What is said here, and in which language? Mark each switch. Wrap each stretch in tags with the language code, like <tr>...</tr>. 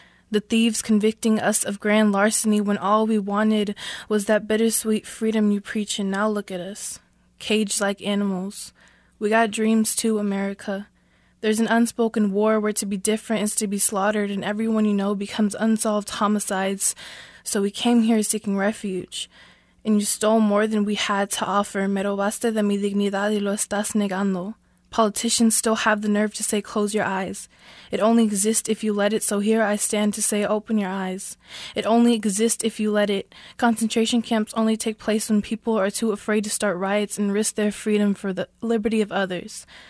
<en>The thieves convicting us of grand larceny when all we wanted was that bittersweet freedom you preach, and now look at us. Caged like animals. We got dreams too, America. There's an unspoken war where to be different is to be slaughtered, and everyone you know becomes unsolved homicides. So we came here seeking refuge. And you stole more than we had to offer.</en> <es>Me robaste de mi dignidad y lo estás negando.</es> <en>Politicians still have the nerve to say, close your eyes. It only exists if you let it. So here I stand to say, open your eyes. It only exists if you let it. Concentration camps only take place when people are too afraid to start riots and risk their freedom for the liberty of others.</en>